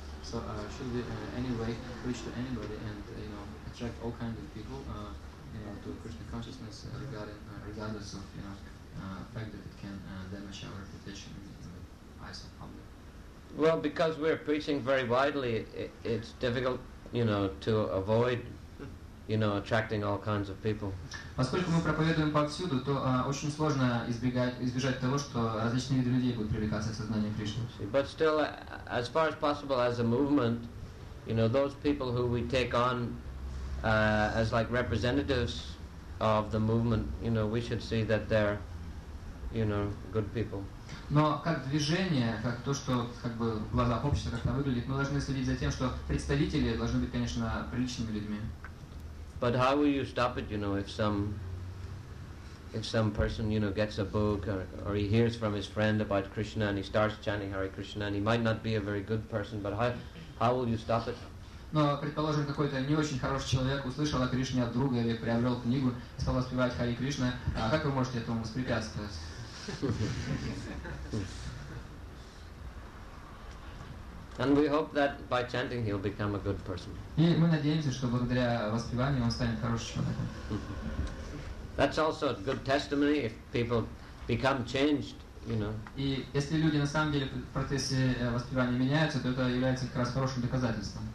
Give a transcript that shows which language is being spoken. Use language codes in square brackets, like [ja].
[en] So should we anyway reach to anybody and you know attract all kinds of people you know to Krishna consciousness regardless of you know fact that it can damage our reputation in the eyes of the public? Well, because we're preaching very widely, it's difficult you know to avoid. You know, attracting all kinds of people. [ru] Поскольку мы проповедуем повсюду, то очень сложно избежать того, что различные виды людей будут привлекаться к сознанию Кришны. [en] But still, as far as possible, as a movement, you know, those people who we take on as like representatives of the movement, you know, we should see that they're, you know, good people. [ru] Но как движение, как то, что как бы в глазах общества как-то выглядит, мы должны следить за тем, что представители должны быть, конечно, приличными людьми. [en] But how will you stop it, you know, if some person, you know, gets a book or he hears from his friend about Krishna and he starts chanting Hare Krishna and he might not be a very good person, but how How will you stop it? [ru] Но, предположим, какой-то не очень хороший человек услышал о Кришне от друга или приобрел книгу и стал воспевать Хари Кришна. А как вы можете этому воспрепятствовать? [en] And we hope that by chanting he'll become a good person. [ru] И мы надеемся, что благодаря воспеванию он станет хорошим человеком. [en] That's also a good testimony if people become changed, you know. [ru] И если люди на самом деле в процессе воспевания меняются, то это является как раз хорошим доказательством.